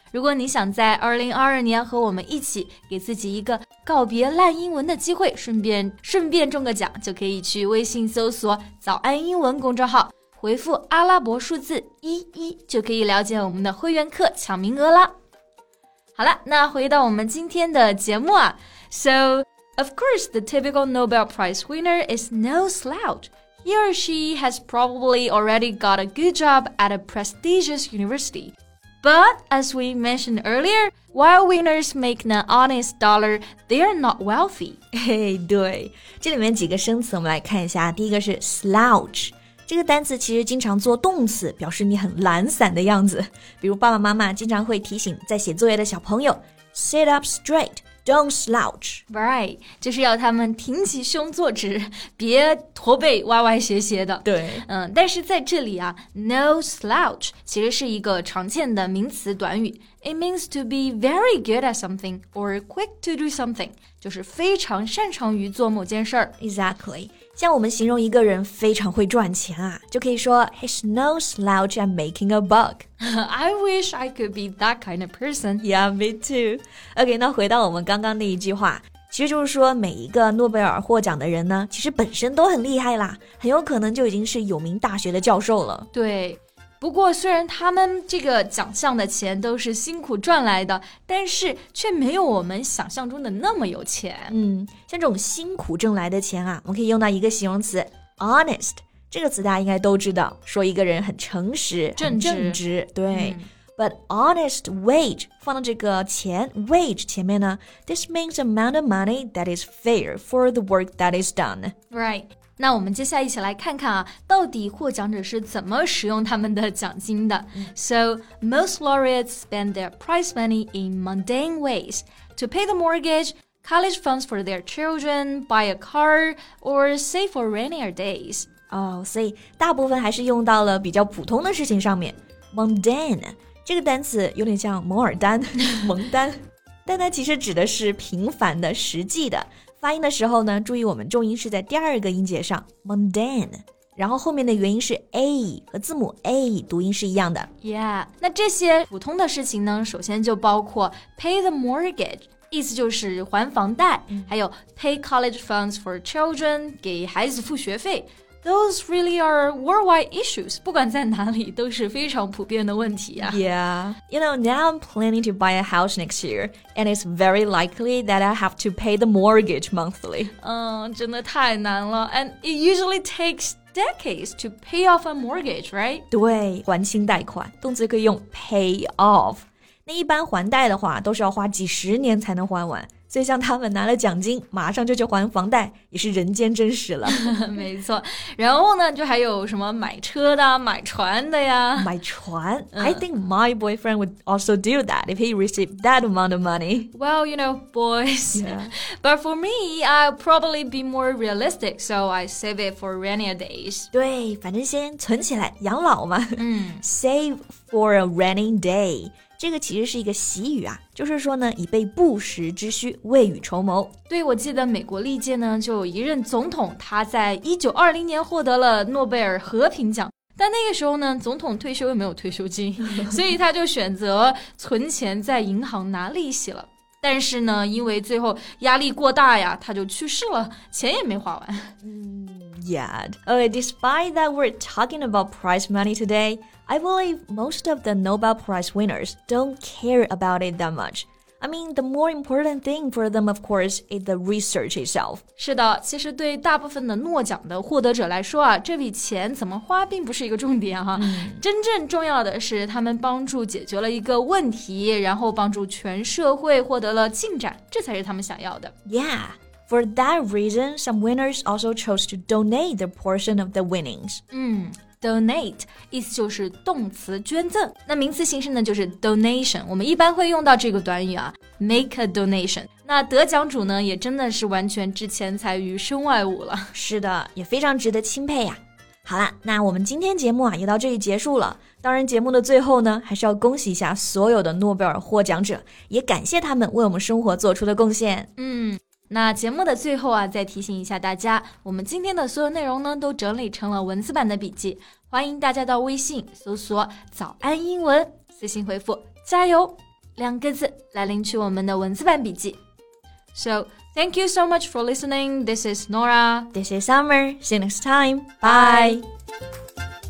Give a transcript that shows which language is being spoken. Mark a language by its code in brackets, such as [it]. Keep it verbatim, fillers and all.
[zh] 如果你想在二零二二年和我们一起给自己一个告别烂英文的机会，顺便顺便中个奖，就可以去微信搜索早安英文公众号，回复阿拉伯数字一一就可以了解我们的会员课抢名额啦。好了，那回到我们今天的节目啊。 [en] So, of course, the typical Nobel Prize winner is no slouch. He or she has probably already got a good job at a prestigious university. But, as we mentioned earlier, while winners make an honest dollar, they are not wealthy. [zh] 嘿，对，这里面几个生词我们来看一下。第一个是 slouch. 这个单词其实经常做动词，表示你很懒散的样子。比如爸爸妈妈经常会提醒在写作业的小朋友 [en] Sit up straight, don't slouch. Right, [zh] 就是要他们挺起胸坐直，别驼背歪歪斜斜的。对，嗯，但是在这里啊 ，no slouch 其实是一个常见的名词短语。 [en] It means to be very good at something or quick to do something. [zh] 就是非常擅长于做某件事儿。 [en] Exactly. [zh] 像我们形容一个人非常会赚钱啊，就可以说 [en] He's no slouch at making a buck. I wish I could be that kind of person. Yeah, me too. OK, [zh] 那回到我们刚刚那一句话，其实就是说每一个诺贝尔获奖的人呢，其实本身都很厉害啦，很有可能就已经是有名大学的教授了。对。不过虽然他们这个奖项的钱都是辛苦赚来的，但是却没有我们想象中的那么有钱。嗯，像这种辛苦挣来的钱啊，我们可以用到一个形容词 honest， 这个词大家应该都知道，说一个人很诚实正直，很正直，对、嗯、 [en] But honest wage [zh] 放到这个钱 [en] wage [zh] 前面呢， [en] This means amount of money that is fair for the work that is done. Right. [zh] 那我们接下来一起来看看啊，到底获奖者是怎么使用他们的奖金的。 [en] So, most laureates spend their prize money in mundane ways to pay the mortgage, college funds for their children, buy a car, or save for rainier days. [zh] 哦，所以大部分还是用到了比较普通的事情上面。 Mundane 这个单词有点像摩尔丹，蒙丹，但它其实指的是平凡的、实际的。发音的时候呢，注意我们重音是在第二个音节上 mundane， 然后后面的元音是 a 和字母 a 读音是一样的。 [en] Yeah， [zh] 那这些普通的事情呢，首先就包括 [en] pay the mortgage， [zh] 意思就是还房贷、嗯、还有 [en] pay college funds for children， [zh] 给孩子付学费， [en] Those really are worldwide issues. [zh] 不管在哪里都是非常普遍的问题啊。 [en] Yeah. You know, now I'm planning to buy a house next year, and it's very likely that I have to pay the mortgage monthly. [zh] 嗯，真的太难了。 [en] And it usually takes decades to pay off a mortgage, right? [zh] 对，还清贷款，动词可以用 pay off。那一般还贷的话，都是要花几十年才能还完。所以像他们拿了奖金马上就去还房贷也是人间真实了没错然后呢就还有什么买车的买船的呀买船、嗯、 [en] I think my boyfriend would also do that if he received that amount of money Well, you know, boys yeah. But for me, I'll probably be more realistic So I save it for rainy days [zh] 对反正先存起来养老嘛、嗯、 [en] Save for a rainy day [zh] 这个其实是一个习语啊就是说呢以备不时之需未雨绸缪对我记得美国历届呢就有一任总统他在 [en] nineteen twenty [zh] 年获得了诺贝尔和平奖但那个时候呢总统退休又没有退休金所以他就选择存钱在银行拿利息了但是呢因为最后压力过大呀他就去世了钱也没花完嗯Yeah. [en] Okay, despite that we're talking about prize money today, I believe most of the Nobel Prize winners don't care about it that much. I mean, the more important thing for them, of course, is the research itself. [zh] 是的，其实对大部分的诺奖的获得者来说啊，这笔钱怎么花并不是一个重点哈。真正重要的是他们帮助解决了一个问题，然后帮助全社会获得了进展，这才是他们想要的。 [en] Yeah. For that reason, some winners also chose to donate their portion of the winnings. [zh] 嗯 donate 意思就是动词捐赠。那名词形式呢就是 donation, 我们一般会用到这个短语啊 [en] make a donation. [zh] 那得奖主呢也真的是完全置钱财于身外物了。是的，也非常值得钦佩呀、啊。好啦，那我们今天节目啊也到这里结束了。当然节目的最后呢还是要恭喜一下所有的诺贝尔获奖者，也感谢他们为我们生活做出的贡献。嗯。那节目的最后啊，再提醒一下大家，我们今天的所有内容呢，都整理成了文字版的笔记，欢迎大家到微信搜索“早安英文”，私信回复“加油”两个字来领取我们的文字版笔记。 [en] So, thank you so much for listening. This is Nora. This is Summer. See you next time. Bye. Bye.